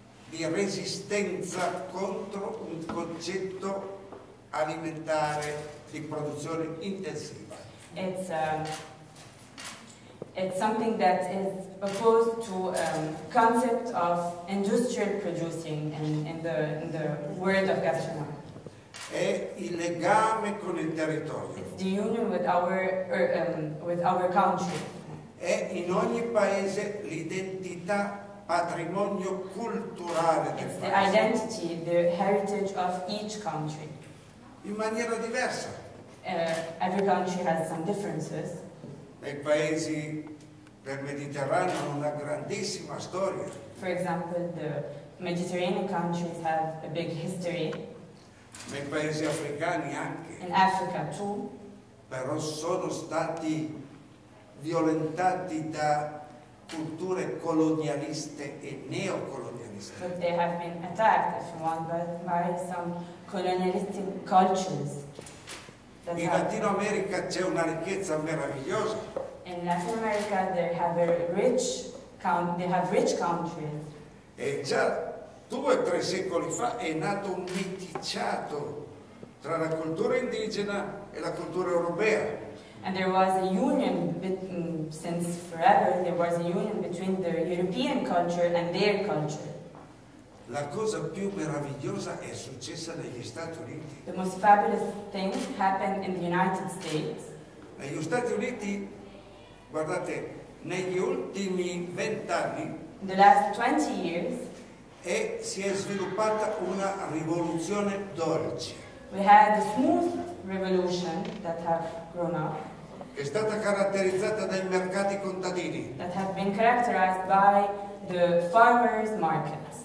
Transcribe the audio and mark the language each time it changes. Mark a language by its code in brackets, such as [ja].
[it] Di resistenza contro un concetto alimentare di produzione intensiva. [en] It's something that is opposed to concept of industrial producing in the world of gastronomy. [it] È il legame con il territorio. [en] It's the union with our country. [it] È in ogni paese l'identità, patrimonio culturale del paese. [en] It's the identity, the heritage of each country. [it] In maniera diversa. [en] Every country has some differences. [it] Nei paesi del Mediterraneo hanno una grandissima storia. [en] For example, the Mediterranean countries have a big history. [it] Nei paesi africani anche. [en] In Africa too. [it] Però sono stati violentati da culture colonialiste e neocolonialiste. [en] But they have been attacked, if you want, by some colonialistic cultures. [it] In Latino America c'è una ricchezza meravigliosa. [en] In Latin America they have rich countries. [it] E già due o tre secoli fa è nato un miticciato tra la cultura indigena e la cultura europea. [en] And there was a union since forever, there was a union between the European culture and their culture. [it] La cosa più meravigliosa è successa negli Stati Uniti. [en] The most fabulous thing happened in the United States. [it] Negli Stati Uniti, guardate, negli ultimi 20 anni, [en] the last 20 years, [it] si è sviluppata una rivoluzione dolce. [en] We had a smooth revolution that have grown up. [it] È stata caratterizzata dai mercati contadini. [en] That have been characterized by the farmers' markets.